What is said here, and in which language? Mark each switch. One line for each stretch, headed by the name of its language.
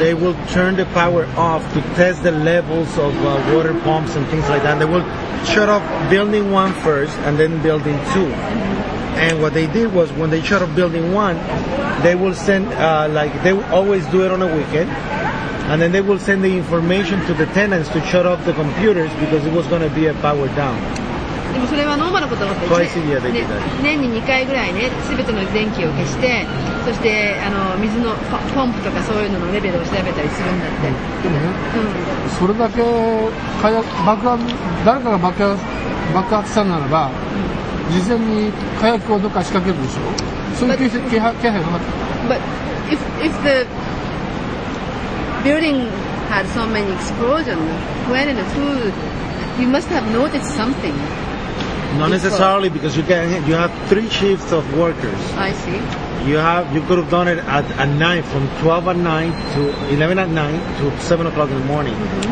English: they will turn the power off to test the levels of water pumps and things like that. They will shut off building one first and then building two. Mm-hmm. And what they did was when they shut off building one, they will send, like they always do it on a weekend. And then they will send the information to the tenants to shut off the computers because it was going to be a power down.
Japanese: でもそれはノーマルなことだったんですね。年に2回ぐらいね、すべての電気を消して、そしてあの水のポンプとかそういうののレベルを調べたりするんだって。でもね、それだけ火薬爆発、誰かが爆発したならば、事前に火薬をどっか仕掛けるでしょ。そういう気配はなかった。
English: But if the building had so many explosions, where in the food? You must have noticed something. Not necessarily, because you have three shifts of workers. I see. You could have done it at night, from 12 at night to 11 at night to 7 o'clock in the morning, mm-hmm.